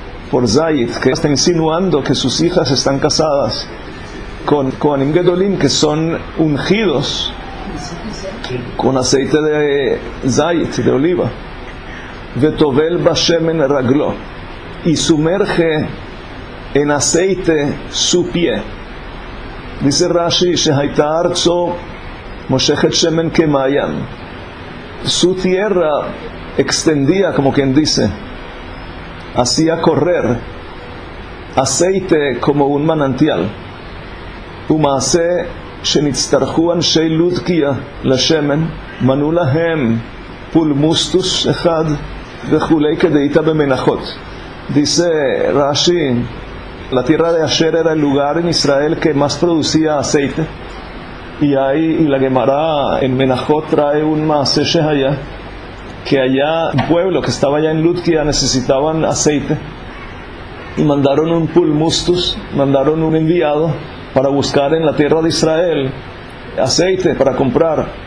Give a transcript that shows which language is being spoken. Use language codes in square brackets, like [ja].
[es] por Zayit, que está insinuando que sus hijas están casadas con [he] כהנים גדולים, [es] que son ungidos con aceite de Zayit, de oliva, [he] וטובל בשמן רגלו, [es] y sumerge en aceite su pie. Dice Rashi, [he] שהייתה ארצו מושכת שמן כמעיין. [es] Su tierra extendía, como quien dice, hacía correr aceite como un manantial. [he] ומעשה שנצטרכו אנשי לודקיה לשמן, מנו להם פולמוסטוס אחד וכולי כדאית במנחות. [es] Dice Rashi, la tierra de Asher era el lugar en Israel que más producía aceite. Y ahí, y la Gemara en Menajot trae un Maaseshe allá, que allá un pueblo que estaba allá en Lutkia necesitaban aceite. Y mandaron un pulmustus, mandaron un enviado para buscar en la tierra de Israel aceite para comprar.